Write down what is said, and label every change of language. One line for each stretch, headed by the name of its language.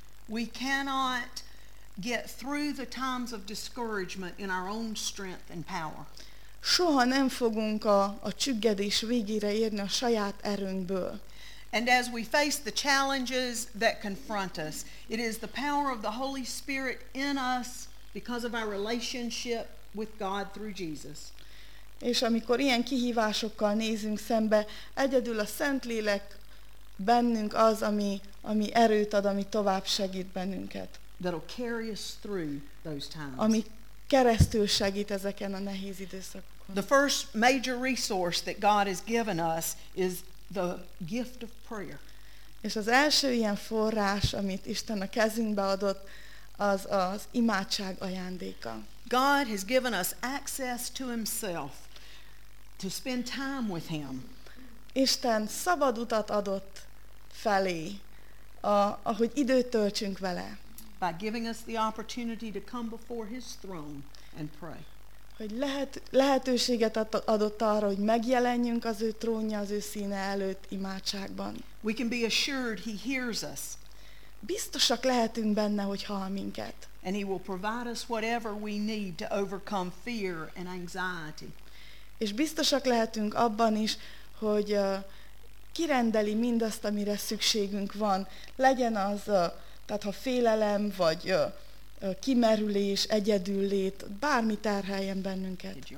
English: We cannot get through the times of discouragement in our own strength and power.
Hungarian: Soha nem fogunk a csüggedés végére érni a saját erőnkből.
English: And as we face the challenges that confront us, it is the power of the Holy Spirit in us because of our relationship with God through Jesus.
Hungarian: És amikor ilyen kihívásokkal nézünk szembe, egyedül a Szentlélek bennünk az, ami erőt ad, ami tovább segít bennünket.
English: That'll carry us through those times.
Hungarian: Ami keresztül segít ezeken a nehéz időszakokon.
English: The first major resource that God has given us is the gift of prayer.
Hungarian: És az első ilyen forrás, amit Isten a kezünkbe adott, az imádság ajándéka.
English: God has given us access to himself to spend time with him.
Hungarian: Isten szabad utat adott felé, ahogy időt töltsünk vele.
English: By giving us the opportunity to come before his throne and pray.
Hungarian: Hogy lehetőséget adott arra, hogy megjelenjünk az ő trónja, az ő színe előtt imádságban.
English: We can be assured he hears us.
Hungarian: Biztosak lehetünk benne, hogy hall minket.
English: And he will provide us whatever we need to overcome fear and anxiety.
Hungarian: És biztosak lehetünk abban is, hogy kirendeli mindazt, amire szükségünk van. Legyen az, tehát ha félelem, vagy kimerülés, egyedüllét, bármi terheljen bennünket.